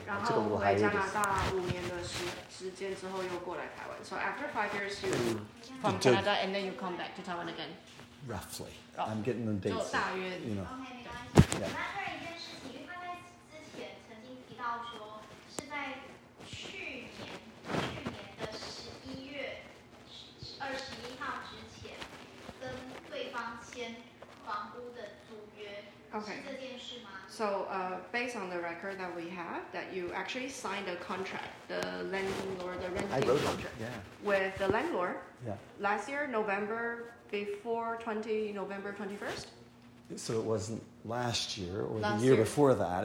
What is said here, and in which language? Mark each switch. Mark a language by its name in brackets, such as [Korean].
[English] Yeah, [Chinese] 然后回加拿大五年的时间之后又过来台湾. [English] So after 5 years, you from Canada and then you come back to Taiwan again. Roughly, I'm getting the dates. [Chinese] 就大约, [English] you know. Okay, [Chinese] 没关系。那第二件事情，因为他在之前曾经提到说是在去年去年的十一月二十一号之前跟对方签房屋的租约，是这件事吗？ [English] So based on the record that we have, that you actually signed a contract, the landlord, the renting contract, with the landlord. Yeah. Last year, November, before November 21st. So it wasn't last year or the year before that.